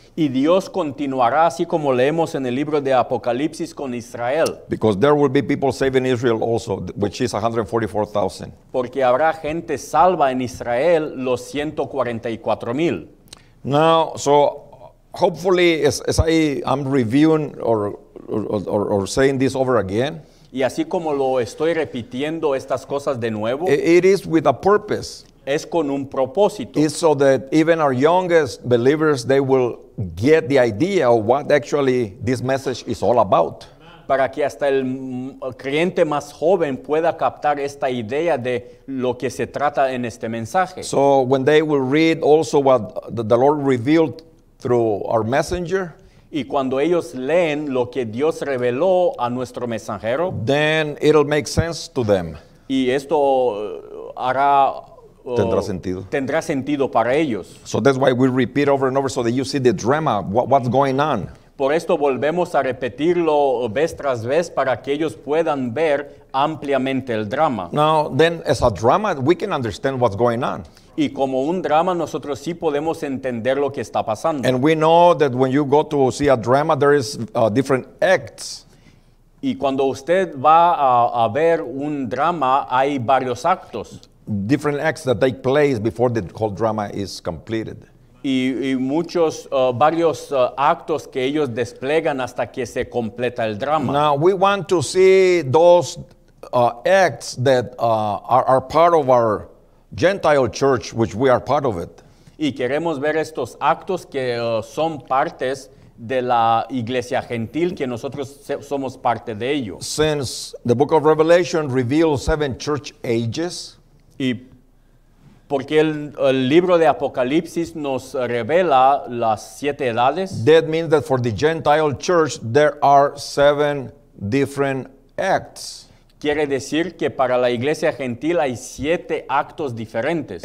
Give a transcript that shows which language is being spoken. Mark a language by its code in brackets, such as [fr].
[es] Y Dios continuará así como leemos en el libro de Apocalipsis con Israel. [en] Because there will be people saved in Israel also, which is 144,000. [es] Porque habrá gente salva en Israel, los 144,000. [en] Now, so hopefully, as I'm reviewing or saying this over again. [es] Y así como lo estoy repitiendo estas cosas de nuevo. [en] It is with a purpose. [es] Es con un propósito. [en] It's so that even our youngest believers, they will get the idea of what actually this message is all about. [es] Para que hasta el creyente más joven pueda captar esta idea de lo que se trata en este mensaje. [en] So when they will read also what the Lord revealed through our messenger. [es] Y cuando ellos leen lo que Dios reveló a nuestro mensajero. [en] Then it'll make sense to them. [es] Y esto hará... Tendrá sentido para ellos. [en] So that's why we repeat over and over so that you see the drama, what's going on. [es] Por esto volvemos a repetirlo vez tras vez para que ellos puedan ver ampliamente el drama. [en] Now, then, as a drama, we can understand what's going on. [es] Y como un drama, nosotros sí podemos entender lo que está pasando. [en] And we know that when you go to see a drama, there is different acts. [es] Y cuando usted va a ver un drama, hay varios actos. [en] Different acts that take place before the whole drama is completed. [es] y muchos varios actos que ellos desplegan hasta que se completa el drama. [en] Now we want to see those acts that are part of our Gentile church, which we are part of it. [es] Y queremos ver estos actos que son partes de la iglesia gentil, que nosotros somos parte de ello. [en] Since the book of Revelation reveals seven church ages, [es] y porque el libro de Apocalipsis nos revela las siete edades, [en] that means that for the Gentile church there are seven different acts. [es] Quiere decir que para la iglesia gentil hay siete actos diferentes.